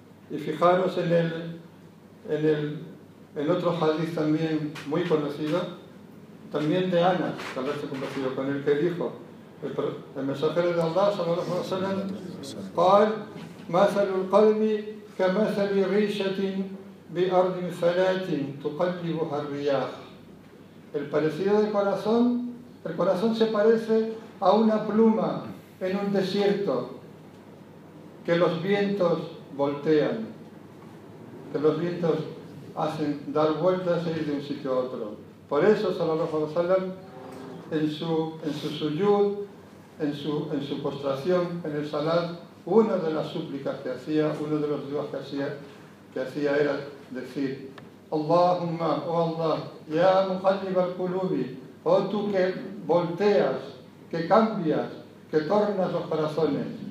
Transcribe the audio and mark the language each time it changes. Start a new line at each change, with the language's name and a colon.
Spanish: Y fijaros en otro hadith también muy conocido, también de Anas, tal vez se conocido con el que dijo el mensajero de Allah, sallallahu alayhi wa sallam,
Arabic: قال: مثل القلب كمثل ريشة بأرض فلات تقلبها الرياح.
Spanish: El parecido del corazón, el corazón se parece a una pluma en un desierto que los vientos voltean, que los vientos hacen dar vueltas e ir de un sitio a otro. Por eso, sallallahu alaihi wasallam, en su suyud, en su postración, en el salat, una de las súplicas que hacía, uno de los duas que hacía era decir: Allahumma, oh Allah,
Arabic: ya muqallib al-qulubi,
Spanish: oh tú que volteas, que cambias, que tornas los corazones.